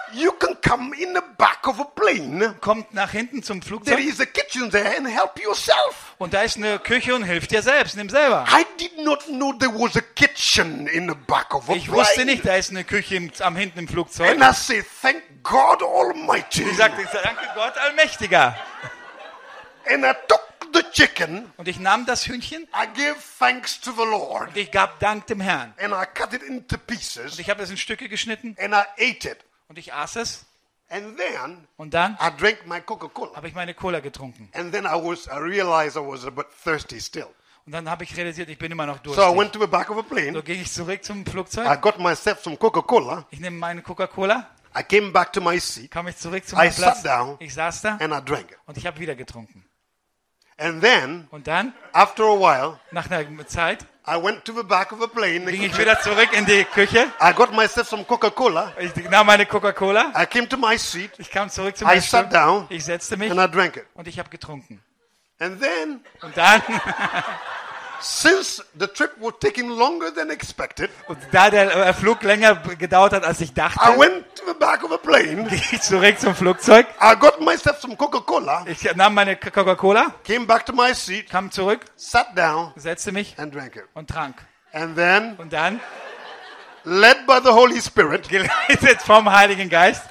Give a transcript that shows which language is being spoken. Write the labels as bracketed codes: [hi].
[en] you can come in the back of a plane. [de] Kommt nach hinten zum Flugzeug. [en] There is a kitchen there and help yourself. [de] Und da ist eine Küche und hilf dir selbst, nimm selber. [en] I did not know there was a kitchen in the back of a plane. [de] Ich wusste nicht, da ist eine Küche am hinten im Flugzeug. [en] And I say, thank God Almighty. [de] Ich sagte, danke Gott Allmächtiger. [en] And I took the chicken. [de] Und ich nahm das Hühnchen. [en] I gave thanks to the Lord. [de] Und ich gab Dank dem Herrn. [en] And I cut it into pieces. [de] Und ich habe es in Stücke geschnitten. [en] And I ate it. [de] Und ich aß es. [en] And then, [de] und dann [en] I drank my Coca-Cola. [de] Habe ich meine Cola getrunken. [en] And then I realized I was a bit thirsty still. [de] Und dann habe ich realisiert, ich bin immer noch durstig. [en] So I went to the back of a plane. [de] So ging ich zurück zum Flugzeug. [en] I got myself some Coca-Cola. [de] Ich nehme meine Coca-Cola. [en] I came back to my seat. [de] Kam ich zurück zu meinem Platz. [en] I sat down. [de] Ich saß da. [en] And I drank it. [de] Und ich habe wieder getrunken. [en] And then, [de] und dann [en] after a while, [de] nach einer Zeit, [en] I went to the back of the plane. [de] Ging ich wieder zurück in die Küche. [en] I got myself some Coca-Cola. [de] Ich nahm meine Coca-Cola. [en] I came to my seat. [de] Ich kam zurück zu meinem Stuhl. [en] I sat down. [de] Ich setzte mich. [en] And I drank it. [de] Und ich habe getrunken. [en] And then, [de] und dann, [en] since the trip was taking longer than expected, [de] und da der Flug länger gedauert hat als ich dachte, [en] I went to the back of a plane. [de] Ging ich zurück zum Flugzeug. [en] I got myself some Coca-Cola. [de] Ich nahm meine Coca-Cola. [en] Came back to my seat. [de] Kam zurück. [en] Sat down. [de] Setzte mich. [en] And drank it. [de] Und trank. [en] And then, [de] und dann, [en] led by the Holy Spirit, [de] geleitet vom Heiligen Geist,